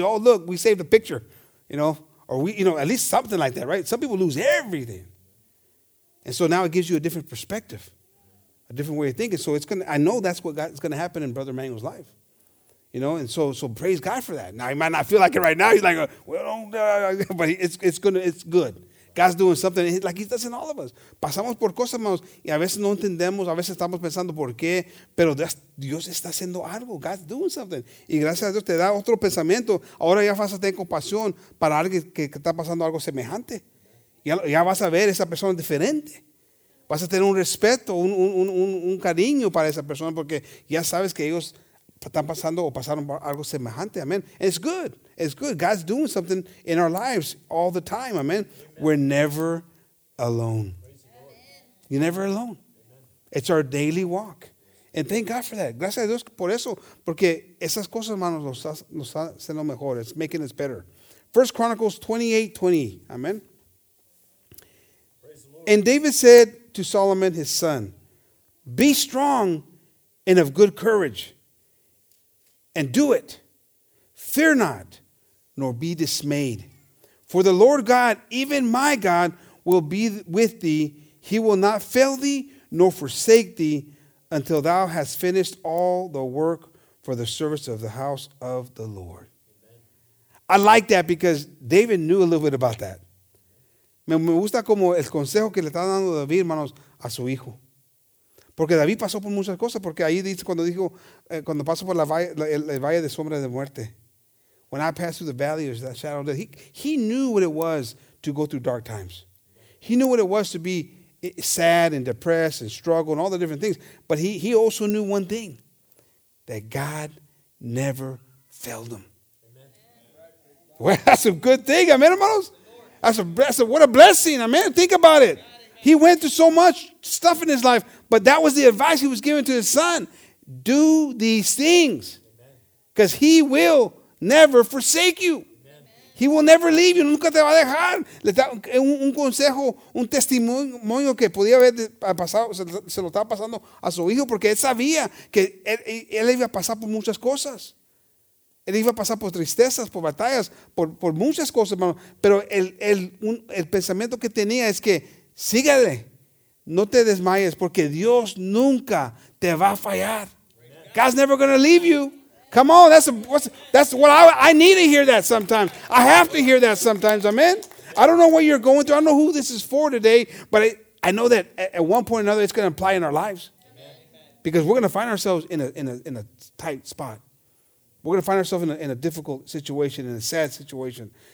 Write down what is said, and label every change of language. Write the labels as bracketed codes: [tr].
[en] Oh, look, we saved a picture, you know. Or we, you know, at least something like that, right? Some people lose everything. And so now it gives you a different perspective, a different way of thinking. So it's going to, I know that's what is going to happen in Brother Manuel's life. You know, and so praise God for that. Now, he might not feel like it right now. He's like, but it's good. God's doing something like he does in all of us. [es] Pasamos por cosas, hermanos, y a veces no entendemos, a veces estamos pensando por qué, pero Dios está haciendo algo. [en] God's doing something. [es] Y gracias a Dios te da otro pensamiento. Ahora ya vas a tener compasión para alguien que está pasando algo semejante. Ya vas a ver esa persona diferente. Vas a tener un respeto, un cariño para esa persona porque ya sabes que ellos están pasando o pasaron algo semejante. [en] Amen. And it's good. It's good. God's doing something in our lives all the time. Amen. Amen. We're never alone. Amen. You're never alone. Amen. It's our daily walk. And thank God for that. [es] Gracias a Dios por eso. Porque esas cosas, hermanos, nos están haciendo mejor. [en] It's making us better. 1 Chronicles 28:20. Amen. And David said to Solomon, his son, be strong and of good courage. And do it. Fear not, nor be dismayed. For the Lord God, even my God, will be with thee. He will not fail thee, nor forsake thee, until thou hast finished all the work for the service of the house of the Lord. Amen. I like that because David knew a little bit about that. [es] Me gusta como el consejo que le está dando David, hermanos, a su hijo. Porque David pasó por muchas cosas, porque ahí dice cuando dijo, cuando pasó por el valle de sombra de muerte. [en] When I passed through the valley of the shadow of death. He knew what it was to go through dark times. He knew what it was to be sad and depressed and struggle and all the different things. But he also knew one thing, that God never failed him. Amen. Well, that's a good thing, amen, hermanos? What a blessing, amen? Think about it. He went through so much stuff in his life, but that was the advice he was giving to his son. Do these things, because he will never forsake you. Amen. He will never leave you. [es] Nunca te va a dejar. Le da un consejo, un testimonio que podía haber pasado, se lo estaba pasando a su hijo, porque él sabía que él iba a pasar por muchas cosas. Él iba a pasar por tristezas, por batallas, por muchas cosas, hermano. Pero el pensamiento que tenía es que síguele, no te desmayes, porque Dios nunca te va a fallar. [en] God's never going to leave you. Come on, that's what I need to hear that sometimes. I have to hear that sometimes, amen? I don't know what you're going through. I don't know who this is for today, but I know that at one point or another, it's going to apply in our lives. Because we're going to find ourselves in a tight spot. We're going to find ourselves in a difficult situation, in a sad situation.